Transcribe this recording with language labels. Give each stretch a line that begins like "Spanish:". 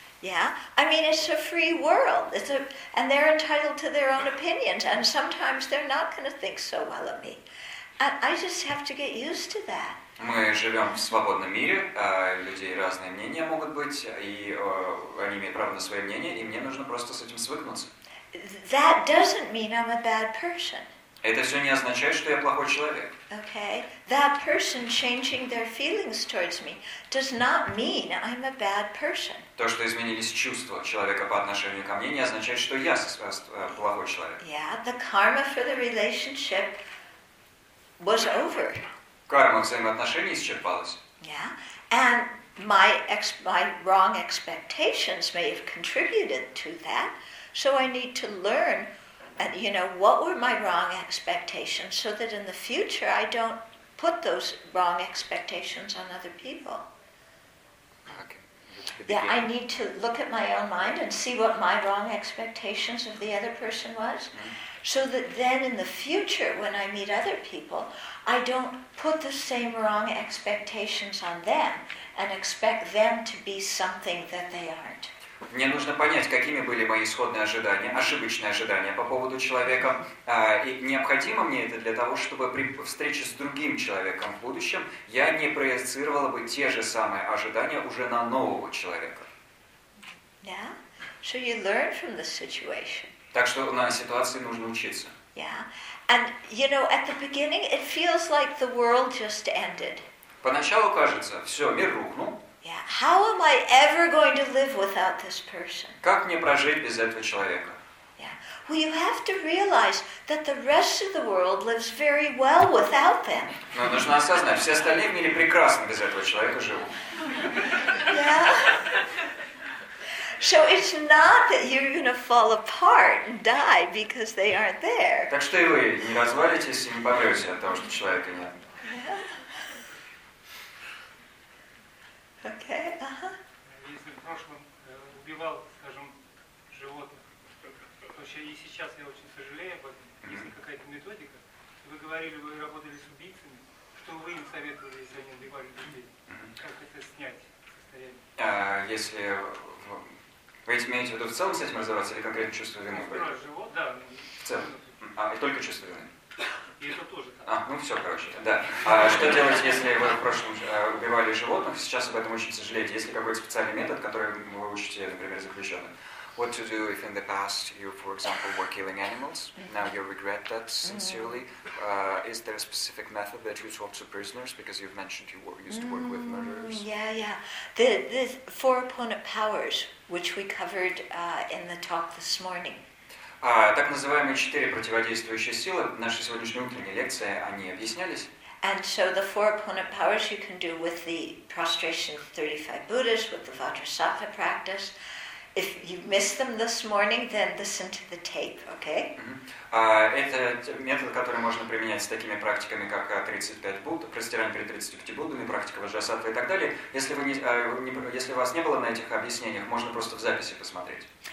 English: Yeah, I mean it's a free world. It's a, and they're entitled to their own opinions, and sometimes they're not going to think so well of me. And I just have to get used to that.
Russian: Мы живем в свободном мире, людей разные мнения могут быть, и они имеют право на свое мнение, и мне нужно просто с этим свыкнуться.
English: That doesn't mean I'm a bad person.
Russian: Это все не означает, что я плохой человек.
English: Okay, that person changing their feelings towards me does not mean I'm a bad person.
Russian: То, что изменились чувства человека по отношению ко мне, не означает, что я плохой человек.
English: Yeah, the karma for the relationship was over.
Russian: Карма взаимоотношений исчерпалась.
English: Yeah, and my wrong expectations may have contributed to that, so I need to learn, you know, what were my wrong expectations, so that in the future I don't put those wrong expectations on other people. Yeah, I need to look at my own mind and see what my wrong expectations of the other person was, so that then in the future when I meet other people, I don't put the same wrong expectations on them and expect them to be something that they aren't.
Russian: Мне нужно понять, какими были мои исходные ожидания, ошибочные ожидания по поводу человека. И необходимо мне это для того, чтобы при встрече с другим человеком в будущем я не проецировала бы те же самые ожидания уже на нового человека.
English: Yeah. So you learn from the situation.
Russian: Так что на ситуации нужно учиться.
English: Yeah. And, you know, at the beginning it feels like the world just ended.
Russian: Поначалу кажется, все, мир рухнул.
English: Yeah. How am I ever going to live without this person?
Russian: Как мне прожить без этого человека?
English: Yeah. Well, you have to realize that the rest of the world lives very well without them.
Russian: Но нужно осознать, все остальные в мире прекрасно без этого человека живут.
English: Yeah. So it's not that you're going to fall apart and die because they aren't there.
Russian: Так что и вы не развалитесь и не помрете от того, что человека нет.
English: Okay,
Russian: Если в прошлом убивал, скажем, животных, то и сейчас я очень сожалею об этом, если какая-то методика, вы говорили, вы работали с убийцами, что вы им советовали, если они убивали людей, как это снять? Если вы имеете в виду в целом с этим разобраться или конкретно чувство вины? Да, живот, да. В целом. А, и только чувство вины? И это тоже. А, ну все, короче, да. А что делать, если вы в прошлом убивали животных, сейчас об этом очень сожалеете? Есть ли какой-то специальный метод, которым вы учите, например, заключенным?
English: What to do if in the past you, for example, were killing animals, now you regret that sincerely? Is there a specific method that you taught to prisoners? Because you've mentioned you were used to work with murderers. Yeah, yeah. The four opponent powers, which we covered in the talk this morning.
Russian: Так называемые четыре противодействующие силы, наши сегодняшние утренние лекции, они объяснялись?
English: And so the four opponent powers you can do with the prostration of 35 Buddhas, with the Vajrasattva practice. If you missed them this morning, then listen to the tape, okay?
Russian: Это метод, который можно применять с такими практиками, как 35 Будд, простирание перед 35 Буддами, практика Ваджрасаттвы и так далее. Если вы не, если вас не было на этих объяснениях, можно просто в записи посмотреть.